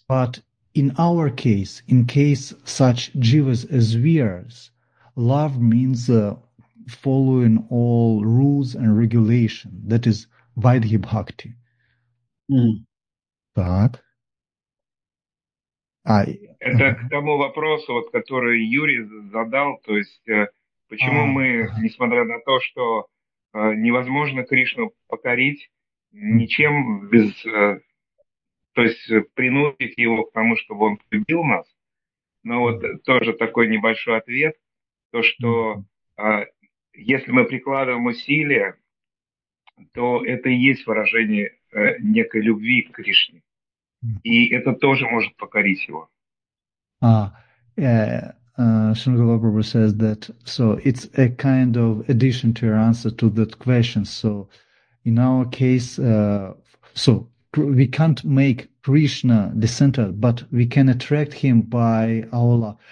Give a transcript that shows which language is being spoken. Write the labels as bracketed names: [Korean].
[English] But in our case, in case such jivas as we are, love means following all rules and regulation, that is Vaidhi Bhakti. [Russian] Так. Это к тому вопросу, вот, который Юрий задал, то есть почему мы, несмотря на то, что невозможно Кришну покорить ничем без, то есть принудить его к тому, чтобы он полюбил нас, но вот тоже такой небольшой ответ, то, что если мы прикладываем усилия, то это и есть выражение некой любви к Кришне. И это тоже может покорить его. [English] Srila Prabhupada says that so it's a kind of addition to your answer to that question. So in our case, so we can't make Krishna the center, but we can attract him by our love.